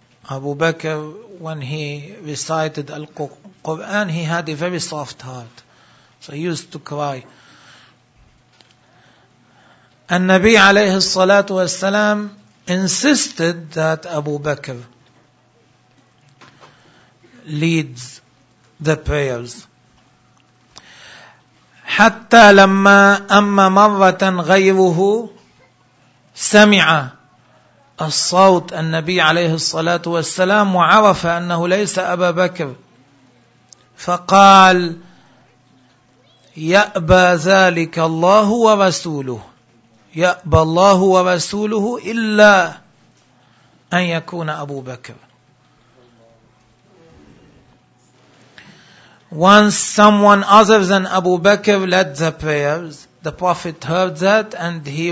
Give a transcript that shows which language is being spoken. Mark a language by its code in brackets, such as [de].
[en] Abu Bakr, when he recited Al-Quran, he had a very soft heart, so he used to cry. And Nabi alayhi salatu wasalam insisted that Abu Bakr leads the prayers. [ar] حتى لما أما مرة غيره سمع الصوت النبي عليه الصلاة والسلام وعرف أنه ليس أبا بكر، فقال يأبى ذلك الله ورسوله، يأبى الله ورسوله إلا أن يكون أبو بكر. [en] Once someone other than Abu Bakr led the prayers, the Prophet heard that and